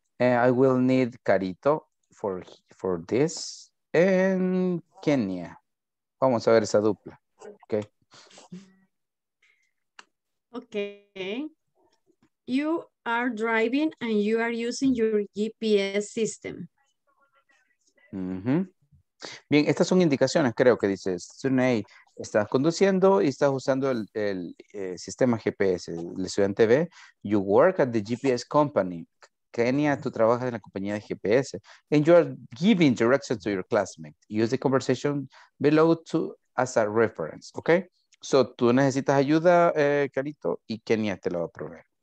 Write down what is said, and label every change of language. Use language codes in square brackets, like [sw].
[en] I will need Carito for this and Kenya. [es] Vamos a ver esa dupla, okay? Okay. [en] You are driving and you are using your GPS system. Mm-hmm. [es] Bien, estas son indicaciones, creo que dice Sunei. Estás conduciendo y estás usando el sistema GPS. El estudiante ve, [en] you work at the GPS company. [es] Kenia, tú trabajas en la compañía de GPS. [en] And you are giving directions to your classmate. Use the conversation below to as a reference, ¿ok? [es] So, tú necesitas ayuda, Carito, y Kenia te lo va a proveer.